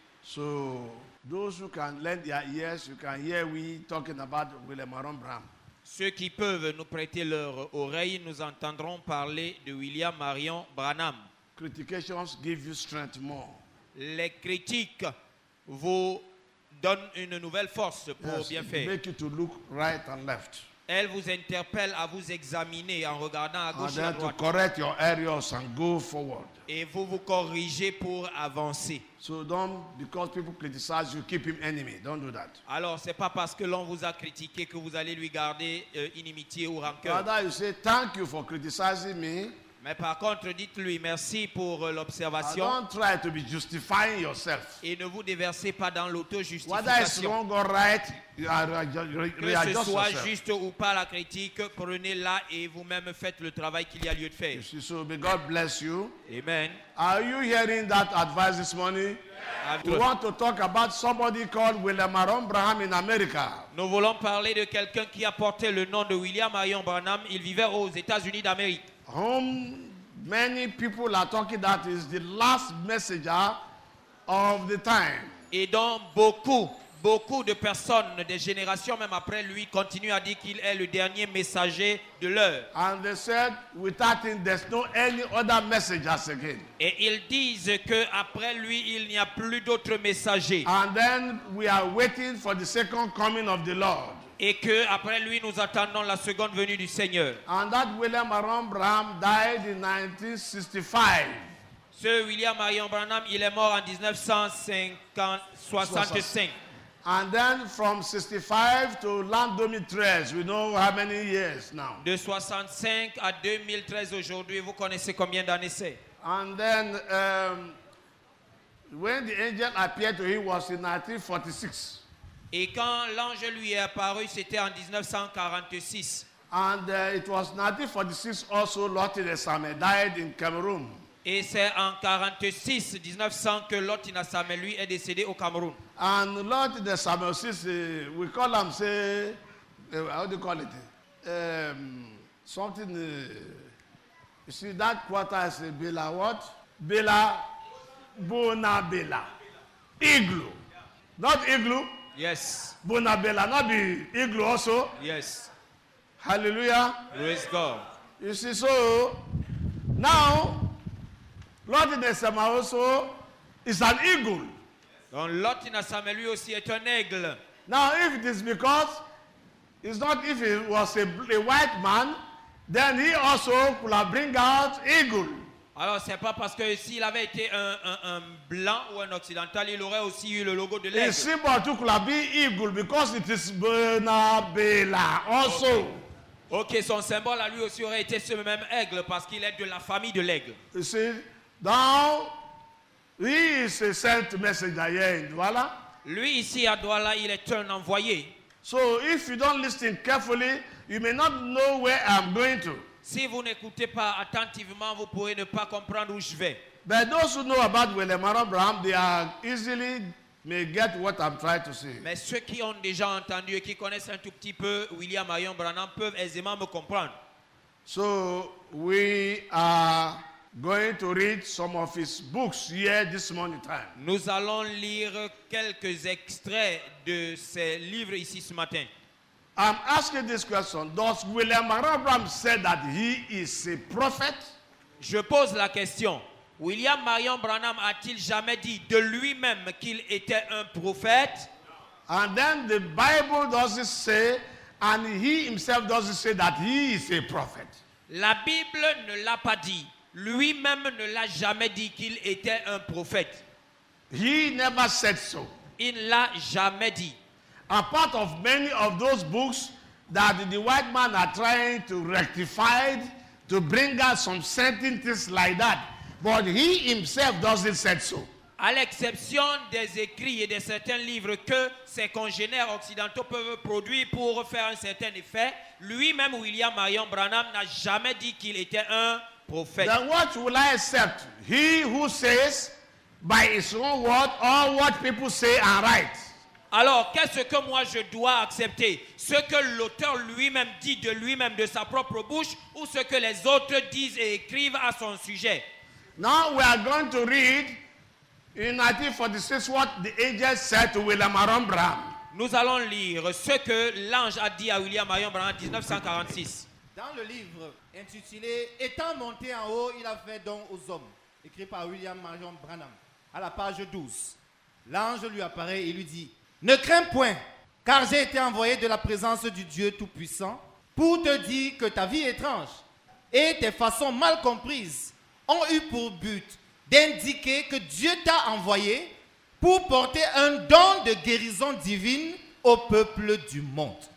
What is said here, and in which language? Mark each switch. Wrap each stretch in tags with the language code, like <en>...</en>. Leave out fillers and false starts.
<en>So those who can lend their ears, you can hear we talking about William Aaron Braham.</en> <fr>Ceux qui peuvent nous prêter leur oreille, nous entendrons parler de William Aaron Braham.</fr> <en>Critications give you strength more.</en> <fr>Les critiques vous donnent une nouvelle force pour</fr> <en>yes,</en> <fr>bien faire.</fr> <en>Make you to look right and left.</en> <fr>Elles vous interpellent à vous examiner en regardant à gauche</fr> <en>and</en> <fr>et à droite.</fr> <en>To correct your errors and go forward.</en> <fr>Et vous vous corrigez pour avancer.</fr> <en>So don't, because people criticize you, keep him enemy. Don't do that.</en> <fr>Alors, c'est pas parce que l'on vous a critiqué que vous allez lui garder inimitié ou rancœur.</fr> <en>Rather, you say thank you for criticizing me.</en> <fr>Mais par contre, dites-lui merci pour l'observation.</fr> <en>Don't try to be justifying yourself.</en> <fr>Et ne vous déversez pas dans l'auto-justification.</fr> <en>Whether it's wrong or right, you are readjust yourself.</en> <fr>Que ce soit juste ou pas la critique, prenez-la et vous-même faites le travail qu'il y a lieu de faire.</fr> <en>You see, so may God bless you. Amen. Are you hearing that advice this morning? Yes. We want to talk about somebody called William Aaron Braham in America.</en> <fr>Nous voulons parler de quelqu'un qui a porté le nom de William Aaron Braham. Il vivait aux États-Unis d'Amérique.</fr> <en>Whom many people are talking that is the last messenger of the time.</en> <fr>Et dont beaucoup de personnes, des générations même après lui, continuent à dire qu'il est le dernier messager de l'heure.</fr> <en>And they said, without him, there's no any other messengers again.</en> <fr>Et ils disent que après lui, il n'y a plus d'autres messagers.</fr> <en>And then we are waiting for the second coming of the Lord.</en> <fr>Et que après lui, nous attendons la seconde venue du Seigneur.</fr> <en>And that William Aaron Braham died in 1965.</en> <fr>Ce William Aaron Braham, il est mort en 1965.</fr> <en>And then from 65 to l'an 2013, we know how many years now.</en> <fr>De 65 à 2013 aujourd'hui, vous connaissez combien d'années c'est.</fr> <en>And then when the angel appeared to him was in 1946.</en> <fr>Et quand l'ange lui est apparu, c'était en 1946.</fr> <en>And it was 1946 also Lotte Nassame died in Cameroon.</en> <fr>Et c'est en 1946 que Lotte Nassame lui est décédé au Cameroun.</fr> <en>And Lotte Nassame</en> <fr>aussi,</fr> <en>we call him say how do you call it? Something you see that quarter is Bela what? Bela Bonabela. Igloo. Not igloo. Yes. Bonabella, not the igloo also. Yes. Hallelujah. Praise God. You see, so now Lord Nassama also is an eagle.</en> <fr>Donc Lord Nassama lui aussi est un aigle.</fr> <en>Now, if it is because it's not if he was a white man, then he also could have bring out eagle.</en> <fr>Alors, c'est pas parce que s'il avait été un blanc ou un occidental, il aurait aussi eu le logo de l'aigle.</fr> <en>It seems to could be eagle because it is Bonabella also. Okay.</en> <fr>Son symbole à lui aussi aurait été ce même aigle parce qu'il est de la famille de l'aigle.</fr> <en>You see, now he is a sent messenger here in Douala.</en> <fr>Lui ici à Douala, il est un envoyé.</fr> <en>So if you don't listen carefully, you may not know where I'm going to.</en> <fr>Si vous n'écoutez pas attentivement, vous pourrez ne pas comprendre où je vais.</fr> <en>But those who know about William Aaron Braham, they are easily may get what I'm trying to say.</en> <fr>Mais ceux qui ont déjà entendu et qui connaissent un tout petit peu William Aaron Braham peuvent aisément me comprendre.</fr> <en>So we are going to read some of his books here this morning time.</en> <fr>Nous allons lire quelques extraits de ses livres ici ce matin.</fr> <en>I'm asking this question. Does William Aaron Braham say that he is a prophet?</en> <fr>Je pose la question. William Aaron Braham a-t-il jamais dit de lui-même qu'il était un prophète?</fr> <en>And then the Bible doesn't say, And he himself doesn't say that he is a prophet.</en> <fr>La Bible ne l'a pas dit. Lui-même ne l'a jamais dit qu'il était un prophète.</fr> <en>He never said so.</en> <fr>Il l'a jamais dit.</fr> <en>A part of many of those books that the white man are trying to rectify to bring out some sentences like that, but he himself doesn't say so.</en> <fr>À l'exception des écrits et de certains livres que ses congénères occidentaux peuvent produire pour faire un certain effet, lui-même, William Marion Branham, n'a jamais dit qu'il était un prophète.</fr> <en>Then what will I accept? He who says by his own word or what people say and write.</en> <fr>Alors, qu'est-ce que moi je dois accepter? Ce que l'auteur lui-même dit de lui-même de sa propre bouche ou ce que les autres disent et écrivent à son sujet?</fr> <en>Now we are going to read in 1946 what the angel said to William Marion Branham.</en> <fr>Nous allons lire ce que l'ange a dit à William Marion Branham en 1946. Dans le livre intitulé « Étant monté en haut, il a fait don aux hommes » écrit par William Marion Branham à la page 12. L'ange lui apparaît et lui dit « Ne crains point, car j'ai été envoyé de la présence du Dieu Tout-Puissant pour te dire que ta vie étrange et tes façons mal comprises ont eu pour but d'indiquer que Dieu t'a envoyé pour porter un don de guérison divine au peuple du monde.</fr>